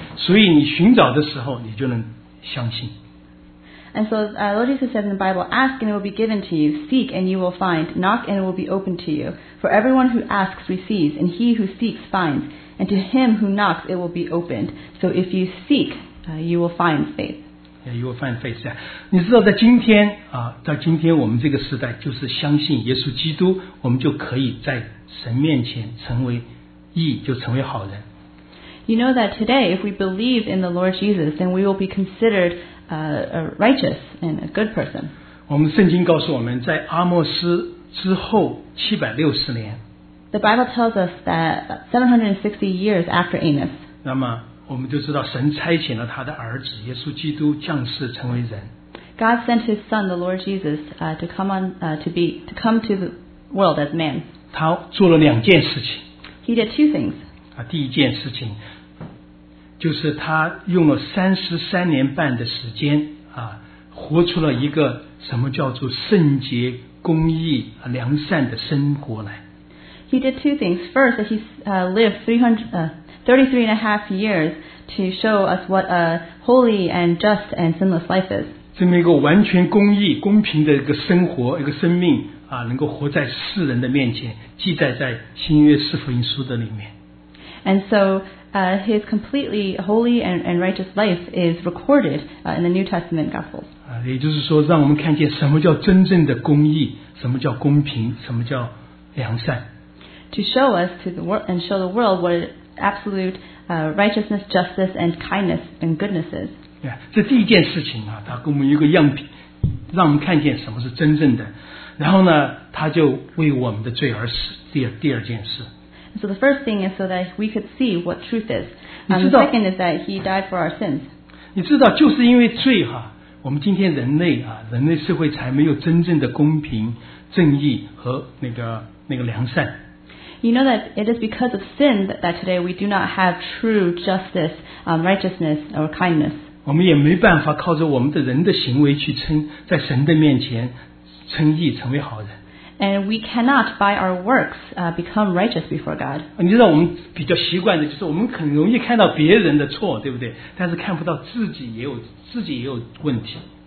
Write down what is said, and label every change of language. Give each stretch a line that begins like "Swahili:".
Chinese: 所以你寻找的时候，你就能相信。
English: And so, Lord Jesus says in the Bible, "Ask and it will be given to you; seek and you will find; knock and it will be opened to you. For everyone who asks receives, and he who seeks finds, and to him who knocks it will be opened. So if you seek, you will find faith." Yeah, you will find faith. Yeah.
Chinese: 你知道在今天啊，在今天我们这个时代，就是相信耶稣基督，我们就可以在神面前成为义，就成为好人。
English: You know that today, if we believe in the Lord Jesus, then we will be considered a righteous and a good person.
Chinese: 我们圣经告诉我们，在阿摩斯之后760年。
English: The Bible tells us that 760 years after Amos.
Chinese: 那么。我们就知道神差遣了他的儿子耶稣基督降世成为人。
English: God sent His Son, the Lord Jesus, to come to the world as man.
Chinese: 他做了两件事情。
English: He did two things.
Chinese: 第一件事情就是他用了33年半的时间啊，活出了一个什么叫做圣洁、公义、良善的生活来。
English: He did two things. First, he lived 33 and a half years to show us what a holy and just and sinless life is.
Chinese: 这么一个完全公义、公平的一个生活、一个生命啊，能够活在世人的面前，记载在新约四福音书的里面。
English: And so, his completely holy and righteous life is recorded in the New Testament Gospels.
Chinese: 也就是说，让我们看见什么叫真正的公义，什么叫公平，什么叫良善。
English: To show us to the world and show the world what absolute righteousness, justice, and kindness and goodness is.
Chinese: Yeah, 这第一件事情啊，它给我们一个样品，让我们看见什么是真正的。然后呢，他就为我们的罪而死。第二件事。
English: So the first thing is so that we could see what truth is. And the second is that he died for our sins.
Chinese: 你知道，就是因为罪哈，我们今天人类啊，人类社会才没有真正的公平、正义和那个良善。
English: You know that it is because of sin that today we do not have true justice, righteousness, or kindness.
Chinese: 我们也没办法靠着我们的人的行为去称在神的面前称义，成为好人。
English: And we cannot by our works become righteous before God.
Chinese: 你知道我们比较习惯的就是我们很容易看到别人的错，对不对？但是看不到自己也有问题。